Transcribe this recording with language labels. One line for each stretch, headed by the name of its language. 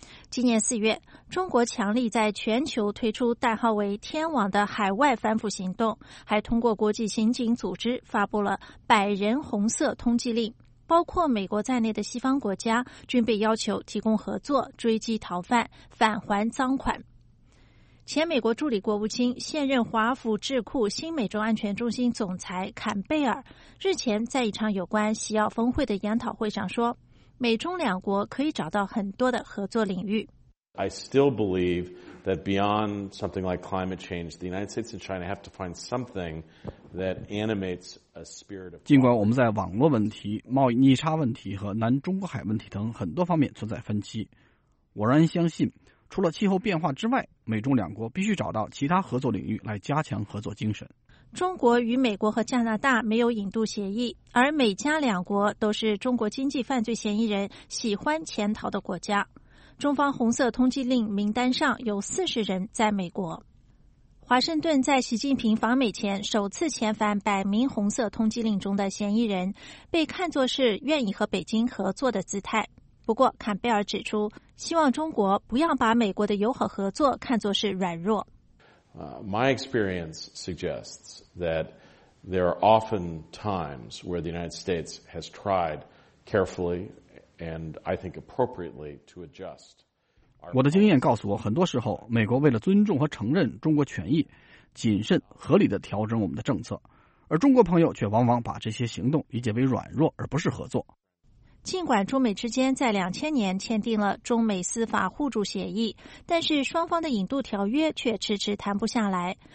Chinese: 今年四月，中国强力在全球推出代号为“天网”的海外反腐行动，还通过国际刑警组织发布了100人红色通缉令，包括美国在内的西方国家均被要求提供合作追缉逃犯，返还赃款。前美国助理国务卿、现任华府智库新美洲安全中心总裁坎贝尔日前在一场有关西澳峰会的研讨会上说，美中两国可以找到很多的合作领域。
English: I still believe that beyond something like climate change, the United States and China have to find something that animates a spirit of.
Chinese: 尽管我们在网络问题、贸易逆差问题和南中国海问题等很多方面存在分歧，我仍然相信，除了气候变化之外，美中两国必须找到其他合作领域来加强合作精神。中国与美国和加拿大没有引渡协议，而美加两国都是中国经济犯罪嫌疑人喜欢潜逃的国家。中方红色通缉令名单上有40人在美国。华盛顿在习近平访美前首次遣返100名红色通缉令中的嫌疑人，被看作是愿意和北京合作的姿态。不过坎贝尔指出，希望中国不要把美国的友好合作看作是软弱。
English: My experience suggests that There are often times where the United States has tried carefully and I think appropriately to adjust.
Chinese: 我的经验告诉我，很多时候美国为了尊重和承认中国权益，谨慎合理地调整我们的政策，而中国朋友却往往把这些行动理解为软弱而不是合作。尽管中美之间在2000年签订了中美司法互助协议，但是双方的引渡条约却迟迟谈不下来。